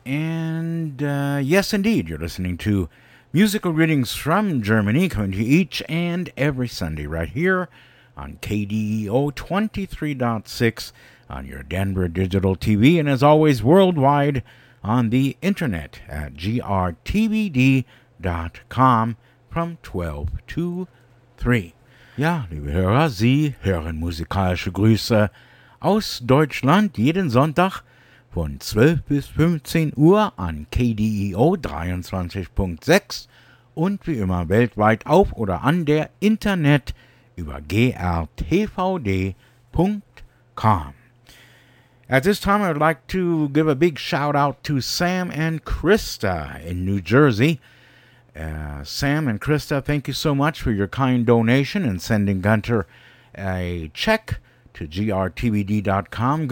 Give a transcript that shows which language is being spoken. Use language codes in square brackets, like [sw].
[en] And yes, indeed, you're listening to Musical Greetings from Germany, coming to you each and every Sunday right here on KDEO 23.6 on your Denver Digital TV, and as always, worldwide on the internet at grtvd.com from 12 to 3. [de] Ja, liebe Hörer, Sie hören musikalische Grüße aus Deutschland jeden Sonntag von 12 bis 15 Uhr an KDEO 23.6 und wie immer weltweit auf oder an der Internet über grtvd.com. [en] At this time, I would like to give a big shout out to Sam and Krista in New Jersey. Sam and Krista, thank you so much for your kind donation and sending Gunter a check to grtvd.com.